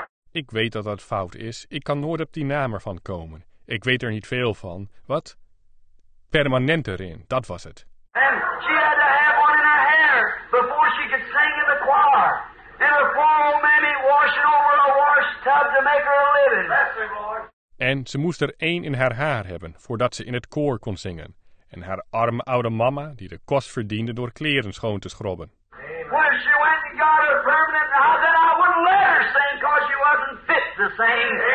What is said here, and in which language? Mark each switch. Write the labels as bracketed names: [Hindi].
[Dutch] Ik weet dat dat fout is. Ik kan nooit op die naam ervan komen. Ik weet er niet veel van. Wat? Permanent erin, dat was het. [English] And she had to have one in her hair before she could sing in the choir. And her poor old mammy washing over a wash tub to make her a living. [Dutch] En ze moest er één in haar haar hebben voordat ze in het koor kon zingen. En haar arme oude mama die de kost verdiende door kleren schoon te schrobben. Amen. [English] When she went and got her permanent, I said I wouldn't let her sing because she wasn't fit to sing.